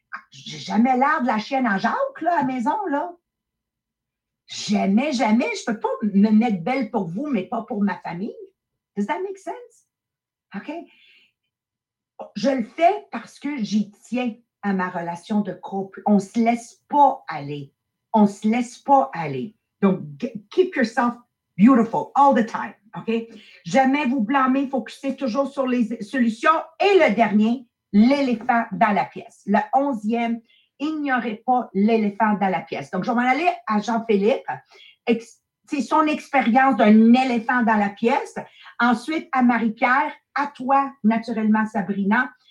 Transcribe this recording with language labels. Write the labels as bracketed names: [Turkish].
[French] J'ai jamais l'air de la chienne à Jacques, là, à la maison, là. Jamais, jamais. Je peux pas me mettre belle pour vous, mais pas pour ma famille. [English] Does that make sense? [French] OK? Je le fais parce que j'y tiens à ma relation de couple. On se laisse pas aller. On se laisse pas aller. [English] Donc, keep yourself beautiful all the time. [French] OK? Jamais vous blâmer. Focussez toujours sur les solutions. Et le dernier, l'éléphant dans la pièce. Le 11e, ignorez pas l'éléphant dans la pièce. Donc, je vais m'en aller à Jean-Philippe. C'est son expérience d'un éléphant dans la pièce. Ensuite, à Marie-Pierre, à toi, naturellement, Sabrina.